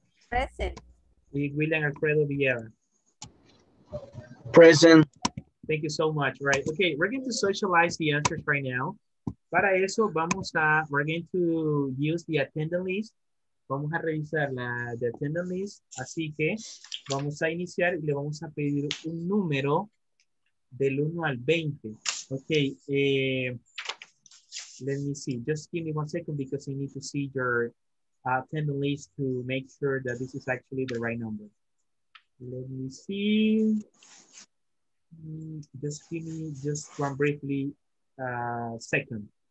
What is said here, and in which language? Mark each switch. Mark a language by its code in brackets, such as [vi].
[en] Present. [es] Y William Alfredo Villera. [en] Present. Thank you so much. Right. Okay, we're going to socialize the answers right now. [es] Para eso, [en] we're going to use the attendance list. [es] Vamos a revisar [en] the attendance list. [es] Así que vamos a iniciar y le vamos a pedir un número del 1 al 20. [en] Okay. Let me see. Just give me one second because I need to see your attendance list to make sure that this is actually the right number. Let me see. Just give me just one briefly second.